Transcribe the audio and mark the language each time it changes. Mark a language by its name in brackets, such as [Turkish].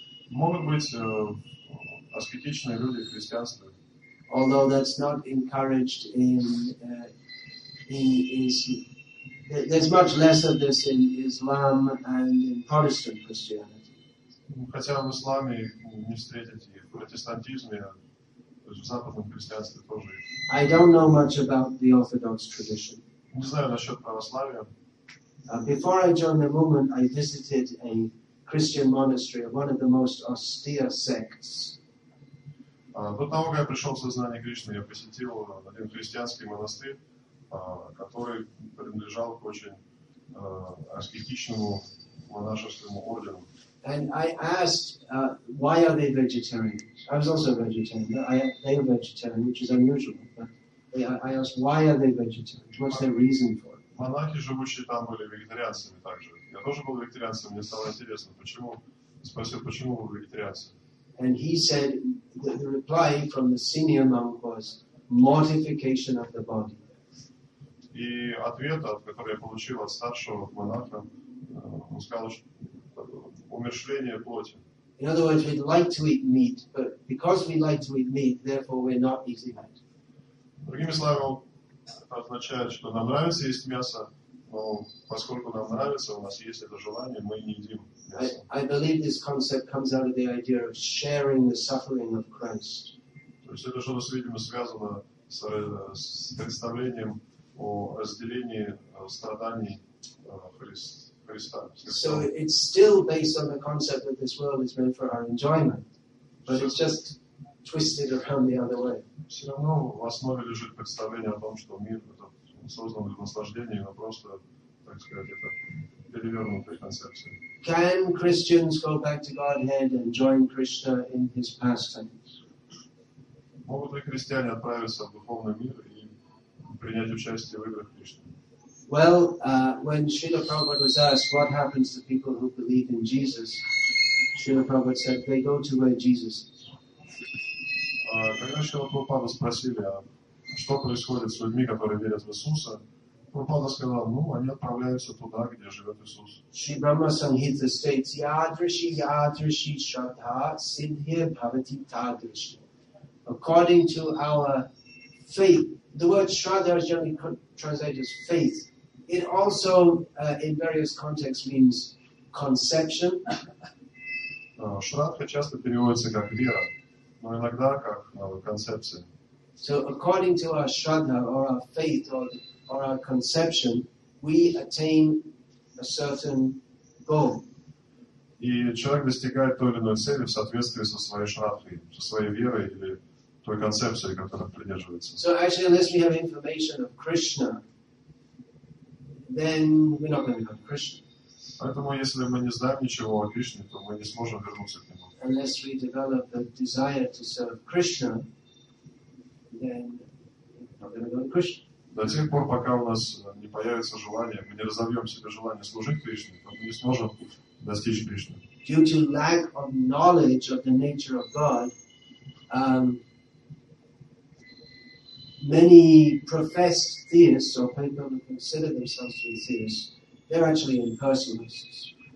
[Russian] Могут быть аскетичные люди в христианстве. [English] Although that's not encouraged there's much less of this in Islam and in Protestant Christianity. [Russian] Хотя в исламе не встретите их, в протестантизме, в западном христианстве тоже. [English] I don't know much about the Orthodox tradition. [Russian] Не знаю насчет православия. [English] Before I joined the movement, I visited a Christian monastery of one of the most austere sects. [Russian] До того, как я пришел в сознание Кришны, я посетил один христианский монастырь, который принадлежал к очень аскетичному монашескому ордену. [English] And I asked, why are they vegetarians? I was also a vegetarian. They are vegetarian, which is unusual. But I asked, why are they vegetarians? What's their reason for it? [Russian] Монахи, живущие там, были вегетарианцами также. Я тоже был вегетарианцем. Мне стало интересно, почему. Спросил, почему вы вегетарианцы? [English] And he said, the reply from the senior monk was mortification of the body. [Russian] И ответ, который я получил от старшего монаха, он сказал, что умерщвление плоти. [English] In other words, we'd like to eat meat, but because we like to eat meat, therefore we're not easy meat. [Russian] Другими словами, это означает, что нам нравится есть мясо, но поскольку нам нравится, у нас есть это желание, мы не едим мясо. [English] I believe this concept comes out of the idea of sharing the suffering of Christ. [Russian] То есть это что-то, видимо, связано с представлением о разделении страданий Христа. [English] So it's still based on the concept that this world is meant for our enjoyment, but it's just twisted around the other way. [Russian] Все равно в основе лежит представление о том, что мир создан для наслаждения, но просто, так сказать, это перевернутая концепция. [English] Can Christians go back to Godhead and join Krishna in his pastimes? [Russian] Могут ли христиане отправиться в духовный мир и принять участие в играх Кришны? [English] Well, when Srila Prabhupada was asked what happens to people who believe in Jesus, Srila Prabhupada said, they go to where Jesus is. [Russian] Когда Шрила Прабхупада спросили, что происходит с людьми, которые верят в Иисуса, Прабхупада сказал, ну, они отправляются туда, где живет Иисус. [English] Shri Brahma Samhita states, [Sanskrit] Yadrishi Yadrishi Shraddha Siddhya Bhavati Tadrishi. [English] According to our faith, the word Shraddha is generally translated as faith. It also, in various contexts, means conception. [Russian] Шрадха часто переводится как вера, но иногда как концепция. [English] So according to our Shraddha, or our faith, or our conception, we attain a certain goal. [Russian] И человек достигает той или иной цели в соответствии со своей Шраддхой, со своей верой или той концепцией, которой придерживается. [English] So actually, unless we have information of Krishna, then we're not going to become Krishna. [Russian] Поэтому, если мы не знаем ничего о Кришне, то мы не сможем вернуться к нему. [English] Unless we develop a desire to serve Krishna, then we're not going to Krishna. [Russian] До тех пор, пока у нас не появится желание, мы не разовьем себе желание служить Кришне, то мы не сможем достичь Кришны. [English] Due to lack of knowledge of the nature of God, many professed theists, or people who consider themselves to be theists, they're actually impersonalists.